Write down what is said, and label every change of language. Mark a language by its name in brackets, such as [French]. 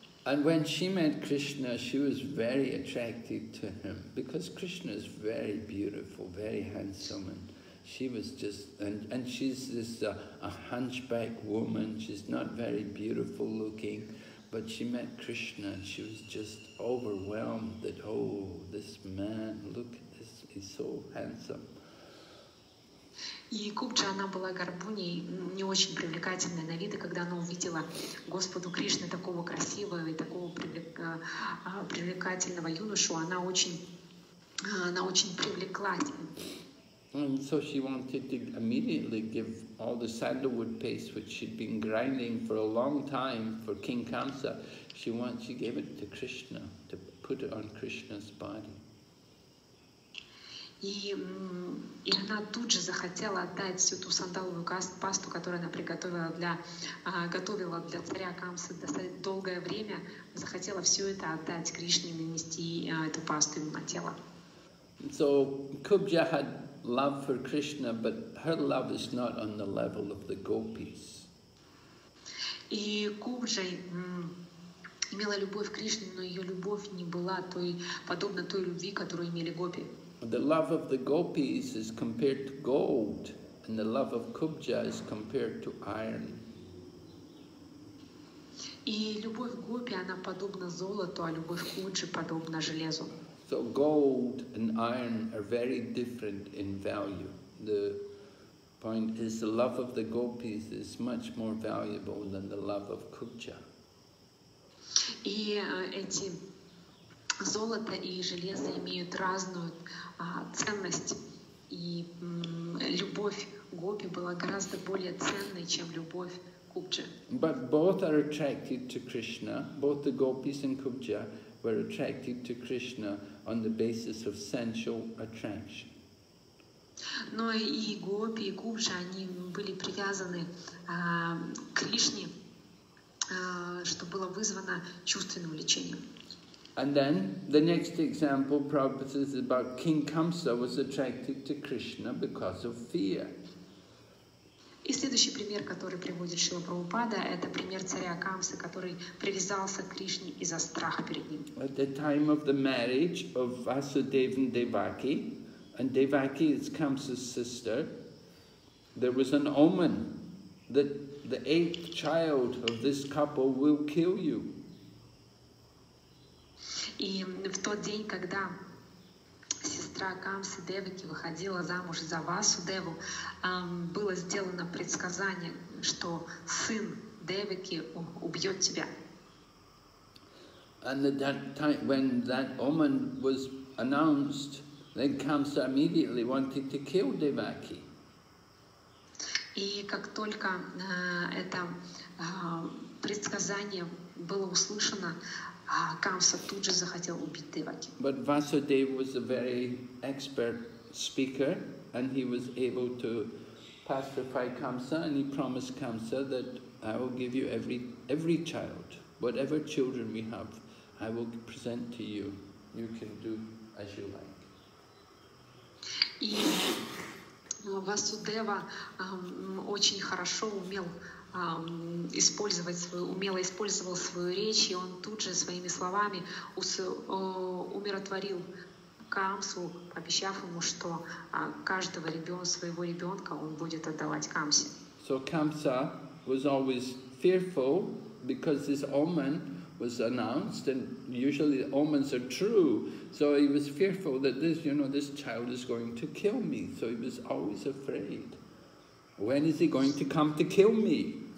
[English] And when she met Krishna, she was very attracted to him, because Krishna is very beautiful, very handsome, and she was just, and she's this a hunchback woman, she's not very beautiful looking, but she met Krishna, and she was just overwhelmed that, oh, this man, look at this, he's so handsome. [Russian] И Кубджа, она была горбуней, не очень привлекательной на вид, и когда она увидела Господу Кришну такого красивого и такого привлекательного юношу, она очень привлеклась. [English] And so she wanted to immediately give all the sandalwood paste which she'd been grinding for a long time for King Kamsa. She gave it to Krishna to put it on Krishna's body. [Russian] И она тут же захотела отдать всю ту сандаловую пасту, которую она готовила для царя Камсы достаточно долгое время, захотела все это отдать Кришне, нанести эту пасту ему на тело. [English] So Kubja had love for Krishna, but her love is not on the level of the gopis. [Russian] И Кубджа имела любовь к Кришне, но ее любовь не была подобна той любви, которую имели гопи. [English] The love of the gopis is compared to gold, and the love of Kubja is compared to iron. [Russian] И любовь гопи, она подобна золоту, а любовь Кубджи подобна железу. [English] So gold and iron are very different in value. The point is, the love of the gopis is much more valuable than the love of Kubja. [Russian] И эти золото и железо имеют разную ценность, и любовь гопи была гораздо более ценной, чем любовь Кубджи. [English] But both are attracted to Krishna. Both the gopis and Kubja were attracted to Krishna on the basis of sensual attraction. [Russian] Но и гопи, и Кубджи, они были привязаны к Кришне, что было вызвано чувственным влечением. [English] And then the next example, Prabhupada says about King Kamsa was attracted to Krishna because of fear. [Russian] И следующий пример, который приводит Шрила Прабхупада, это пример царя Камсы, который привязался к Кришне из-за страха перед ним. [English] At the time of the marriage of Vasudeva and Devaki, and Devaki is Kamsa's sister, there was an omen that the eighth child of this couple will kill you. [Russian] И в тот день, когда сестра Камсы Девики выходила замуж за Васудеву, было сделано предсказание, что сын Девики убьет тебя. [English] And at that time, when that omen was announced, then Kamsa immediately wanted to kill Devaki. [Russian] И как только это предсказание было услышано, Камса тут же захотел убить Деваки. [English] But Vasudeva was a very expert speaker, and he was able to pacify Kamsa, and he promised Kamsa that I will give you every child, whatever children we have, I will present to you. You can do as you like. [Russian] И Васудева очень хорошо умел использовал свою речь, и он тут же своими словами умиротворил Камсу, пообещав ему, что каждого своего ребенка он будет отдавать Камсе. [English] So Kamsa was always fearful because this omen was announced, and usually the omens are true. So he was fearful that this child is going to kill me. So he was always afraid. When is he going to come to kill me?